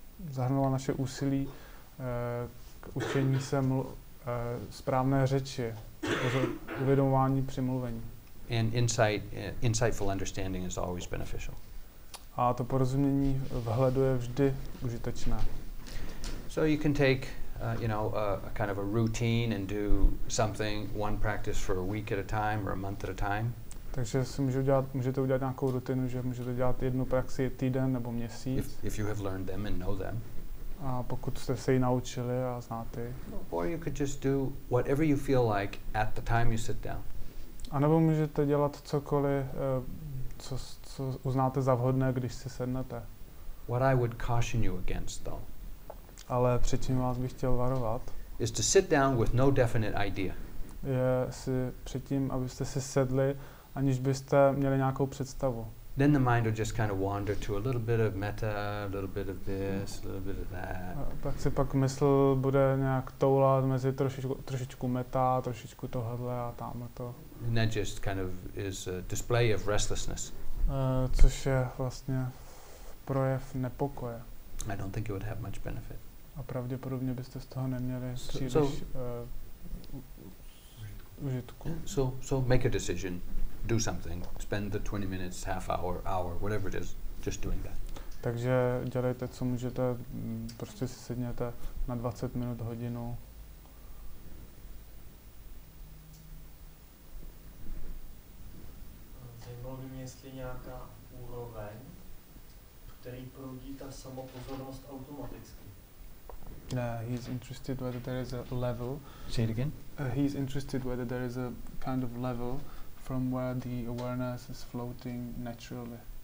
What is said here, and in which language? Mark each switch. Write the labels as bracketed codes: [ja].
[cs] Zahrnoval naše úsilí k učení se správné řeči, uvědomování při mluvení. [en] And insightful understanding is always beneficial. [cs] A to porozumění vhledu je vždy užitečné. [en] So you can take a kind of a routine and do something, one practice for a week at a time or a month at a time. [cs] Takže si můžete udělat nějakou rutinu, že můžete dělat jednu praxi týden nebo měsíc. [en] If you have learned them and know them. [cs] A pokud jste se ji naučili a znáte. [en] Or you could just do whatever you feel like at the time you sit down. [cs] A nebo můžete dělat cokoliv, co uznáte za vhodné, když si sednete. [en] What I would caution you against, though. [cs] Ale před čím vás bych chtěl varovat. [en] Is to sit down with no definite idea. [cs] Je si před tím, abyste si sedli, aniž byste měli nějakou představu. [en] Then the mind will just kind of wander to a little bit of metta, a little bit of this, a little bit of that. [cs] Tak si pak mysl bude nějak toulat mezi trošičku metta, trošičku tohle a tamhle to. [en] And that just kind of is a display of restlessness. [cs] Což je vlastně projev nepokoje. [en] I don't think it would have much benefit. [cs] A pravděpodobně byste z toho neměli příliš užitku. [en] So make a decision. Do something. Spend the 20 minutes, half hour, hour, whatever it is, just doing that. [cs] Takže dělejte, co můžete, prostě si sedněte na 20 minut, hodinu. Zajímalo by mě, jestli nějaká úroveň, který proudí ta samopozornost automaticky. [en] He's interested whether there is a level. Say it again. He's interested whether there is a kind of level from where the awareness is floating naturally.